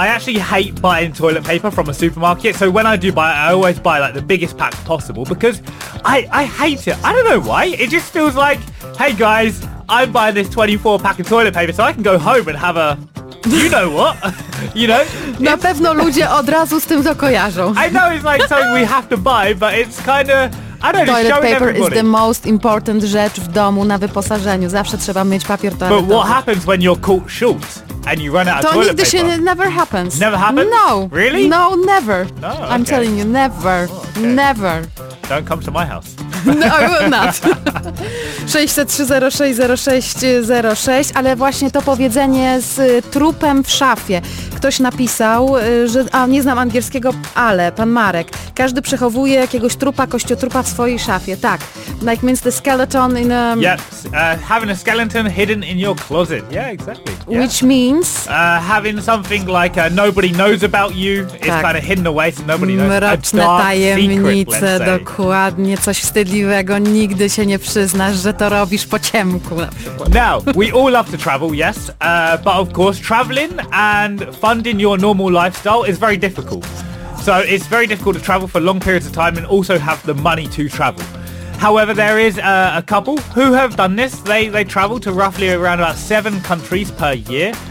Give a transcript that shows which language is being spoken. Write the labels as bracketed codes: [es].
[en] I actually hate buying toilet paper from a supermarket. So when I do buy it, I always buy like the biggest pack possible because I hate it. I don't know why. It just feels like, hey guys, I'm buying this 24 pack of toilet paper so I can go home and have a, you know what? You know? [pl] Na pewno ludzie od razu z tym to kojarzą. [en] I know it's like something we have to buy, but it's kind of, I don't know, toilet paper everybody. Is the most important [pl] rzecz w domu na wyposażeniu. Zawsze trzeba mieć papier toaletowy. [en] But what happens when you're caught short? And you run out to of toilet paper. Don't never happens. Never happens? No. Really? No, never. No, okay. I'm telling you, never. Oh, okay. Never. Don't come to my house. No, I will not. 603-0606-06. [pl] Ale właśnie to powiedzenie z trupem w szafie. Ktoś napisał, że, a nie znam angielskiego, ale, pan Marek, każdy przechowuje jakiegoś trupa, kościotrupa w swojej szafie, tak. [en] Like, means the skeleton in a... Yep, having a skeleton hidden in your closet. Yeah, exactly. Yeah. Which means... Having something like nobody knows about you, tak. It's kind of hidden away so nobody knows. [pl] Mroczne tajemnice, secret, dokładnie, coś wstydliwego, nigdy się nie przyznasz, że to robisz po ciemku. [en] Now, we all love to travel, yes, but of course, traveling and... Funding your normal lifestyle is very difficult. So it's very difficult to travel for long periods of time and also have the money to travel. However, there is a couple who have done this. They travel to roughly around about 7 countries per year.